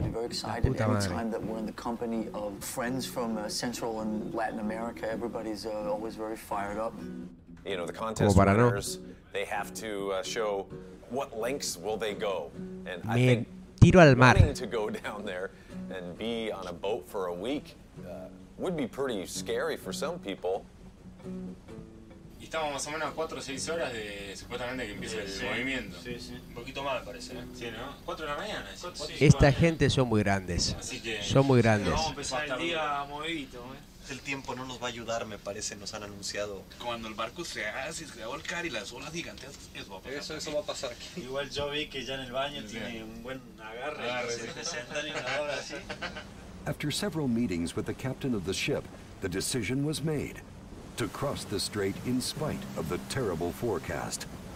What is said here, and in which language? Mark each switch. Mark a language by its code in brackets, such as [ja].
[en] Will be very excited every time that we're in the company of friends from Central and Latin America. Everybody's always very fired up. You know, the contest winners, they have to show what lengths will they go. And I think [es] tiro al mar. [en] Wanting to go down there and be on a boat for a week. Would be pretty scary for some people. [es] Y estamos más o menos 4 o 6 horas de supuestamente que empieza el movimiento. Sí, sí. Un poquito más, parece. Sí, ¿no? 4 de la mañana. Sí. Esta gente son muy grandes. Así que son muy grandes. Vamos a empezar el día movidito. El tiempo no nos va a ayudar, me parece, nos han anunciado. Cuando el barco se haga, si se va a volcar y las olas gigantescas, eso va a pasar. Eso va a pasar aquí. Igual yo vi que ya en el baño tiene un buen agarre. Se sentan y una hora así. [en] After several meetings with the captain of the ship, the decision was made to cross the strait in spite of the terrible forecast.